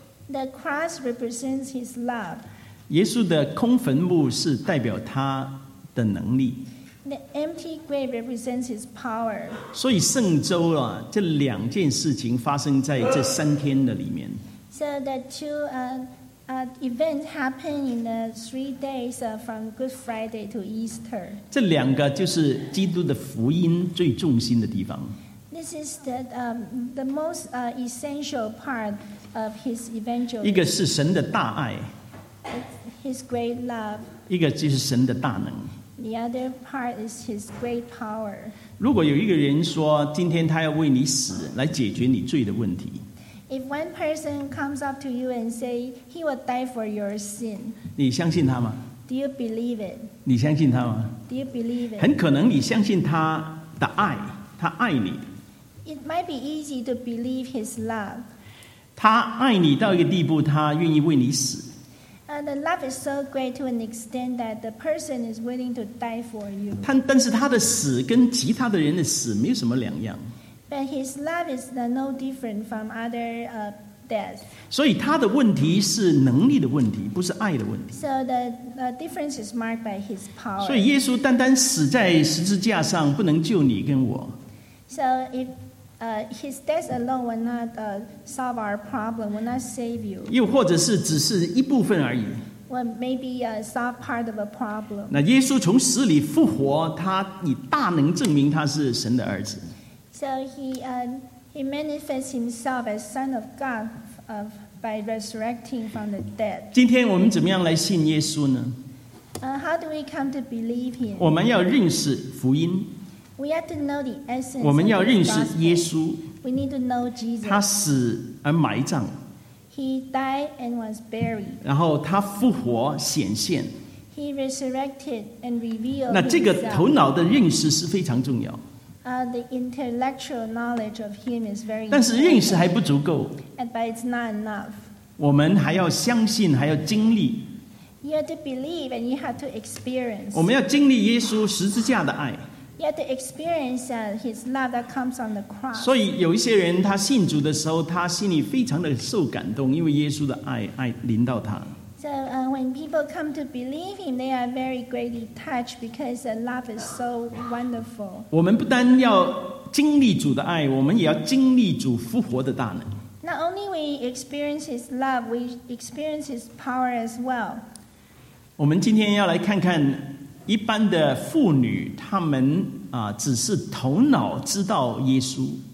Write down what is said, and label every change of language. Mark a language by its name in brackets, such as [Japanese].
[English] The cross represents his love. [Chinese] 耶稣的空坟墓是代表他的能力。 [English] The empty grave represents his power. [Chinese] 所以圣周啊, 这两件事情发生在这三天的里面。 [English] So the two events happen in the 3 days from Good Friday to Easter. [Chinese] 这两个就是基督的福音最重心的地方。 [English] This is the most essential part of his evangelism. [Chinese] 一个是神的大爱。 [English] His great love. [Chinese] 一个就是神的大能。 [English] The other part is his great power. [Chinese] 如果有一个人说今天他要为你死, 来解决你罪的问题, [English] If one person comes up to you and say he will die for your sin, [Chinese] 你相信他吗? [English] Do you believe it? [Chinese] 你相信他吗? [English] Do you believe it? [Chinese] 很可能你相信他的爱, 他爱你。 [English] It might be easy to believe his love. [Chinese] 他爱你到一个地步, 他愿意为你死。 [English] The love is so great to an extent that the person is willing to die for you. [Chinese] 但是他的死跟其他的人的死没有什么两样。 [English] But his love is no different from other death. [Chinese] 所以他的问题是能力的问题, 不是爱的问题。 [English] So the difference is marked by his power. [Chinese] 所以耶稣单单死在十字架上, 不能救你跟我。 [English] So if his death alone will not solve our problem, will not save you. [Chinese] 又或者是只是一部分而已。 [English] Well, maybe solve part of a problem. [Chinese] 那耶稣从死里复活, 他以大能证明他是神的儿子。 [English] So he manifests himself as Son of God by resurrecting from the dead. [Chinese] 今天我们怎么样来信耶稣呢? [English] How do we come to believe him? [Chinese] 我们要认识福音。 [English] We have to know the essence. [Chinese] 我们要认识耶稣。 [English] We need to know Jesus. [Chinese] 他死而埋葬。 [English] He died and was buried. [Chinese] 然后他复活显现。 [English] He resurrected and revealed. [Chinese] 那这个头脑的认识是非常重要。 [English] The intellectual knowledge of him is very. [Chinese] 但是认识还不足够。 [English] But it's not enough. [Chinese] 我们还要相信，还要经历。 [English] You have to believe and you have to experience. [Chinese] 我们要经历耶稣十字架的爱。 [English] You have to experience his love that comes on the cross. [Chinese] 所以有一些人他信主的时候, 他心里非常的受感动, 因为耶稣的爱临到他。 [English] So when people come to believe him, they are very greatly touched because the love is so wonderful. [Chinese] 我们不单要经历主的爱, 我们也要经历主复活的大能。 [English] Not only we experience His love, we experience His power as well. [Chinese] 我们今天要来看看一般的妇女，她们只是头脑知道耶稣。